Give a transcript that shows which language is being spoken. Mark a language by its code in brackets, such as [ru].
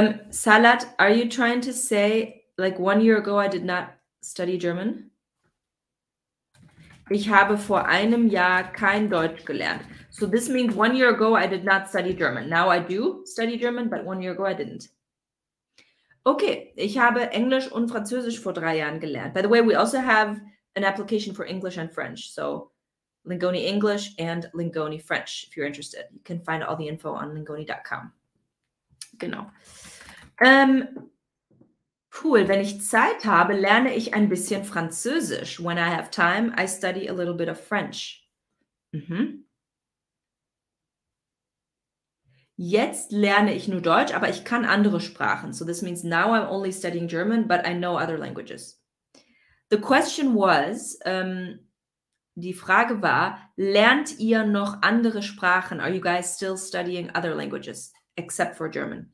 [en] Salat, are you trying to say, like 1 year ago I did not study German? [de] Ich habe vor einem Jahr kein Deutsch gelernt. [en] So this means 1 year ago I did not study German. Now I do study German, but 1 year ago I didn't. [de] Okay, ich habe Englisch und Französisch vor 3 Jahren gelernt. [en] By the way, we also have an application for English and French. So, Lingoni English and Lingoni French, if you're interested. You can find all the info on lingoni.com. [de] Genau. Cool, wenn ich Zeit habe, lerne ich ein bisschen Französisch. [en] When I have time, I study a little bit of French. Mhm. [de] Jetzt lerne ich nur Deutsch, aber ich kann andere Sprachen. [en] So this means now I'm only studying German, but I know other languages. The question was, [de] die Frage war, lernt ihr noch andere Sprachen? [en] Are you guys still studying other languages, except for German?